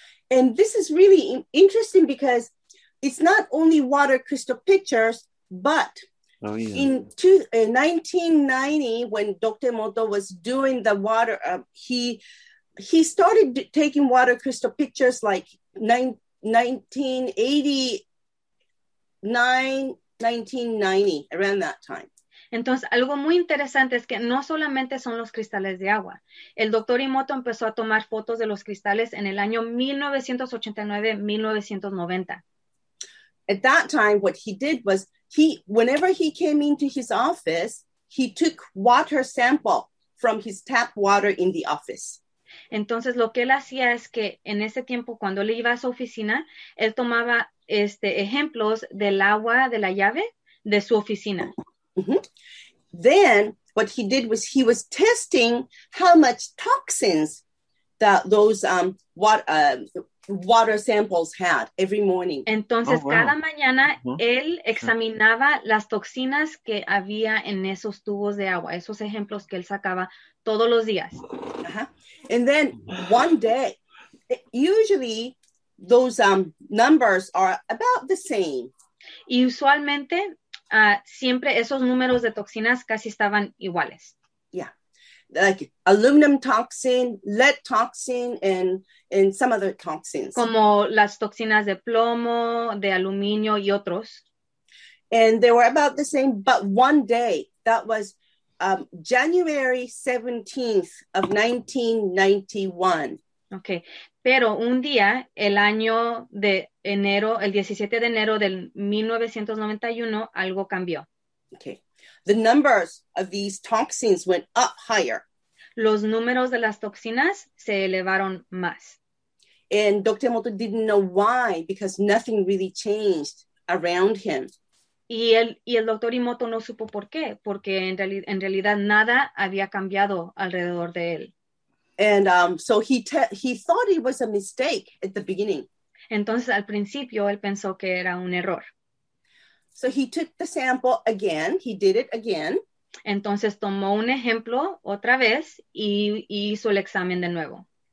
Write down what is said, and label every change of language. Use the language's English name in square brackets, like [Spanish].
[English] And this is really interesting because it's not only water crystal pictures, but in 1990, when Dr. Emoto was doing the water, he started taking water crystal pictures like 1989, 1990, around that time. [Spanish] Entonces, algo muy interesante es que no solamente son los cristales de agua. El doctor Emoto empezó a tomar fotos de los cristales en el año 1989-1990. [English] At that time, what he did was, he, whenever he came into his office, he took water sample from his tap water in the office. [Spanish] Entonces, lo que él hacía es que en ese tiempo, cuando él iba a su oficina, él tomaba ejemplos del agua de la llave de su oficina. Mm-hmm. [English] Then what he did was he was testing how much toxins that those water samples had every morning. [Spanish] Entonces, oh, wow. Cada mañana, uh-huh. Él examinaba las toxinas que había en esos tubos de agua, esos ejemplos que él sacaba todos los días. Uh-huh. [English] And then one day, usually those numbers are about the same. [Spanish] Y usualmente, siempre esos números de toxinas casi estaban iguales. Yeah. [English] Like aluminum toxin, lead toxin, and some other toxins. [Spanish] Como las toxinas de plomo, de aluminio y otros. [English] And they were about the same, but one day, that was January 17th of 1991. Okay. [Spanish] Pero un día, el año de enero, el 17 de enero del 1991, algo cambió. Okay. [English] The numbers of these toxins went up higher. [Spanish] Los números de las toxinas se elevaron más. [English] And Dr. Emoto didn't know why, because nothing really changed around him. [Spanish] Y el Dr. Emoto no supo por qué, porque en realidad nada había cambiado alrededor de él. [English] And so he thought it was a mistake at the beginning. [Spanish] Entonces, al principio, él pensó que era un error. [English] So he took the sample again. He did it again. [Spanish] Entonces, tomó un ejemplo otra vez y hizo el examen de nuevo.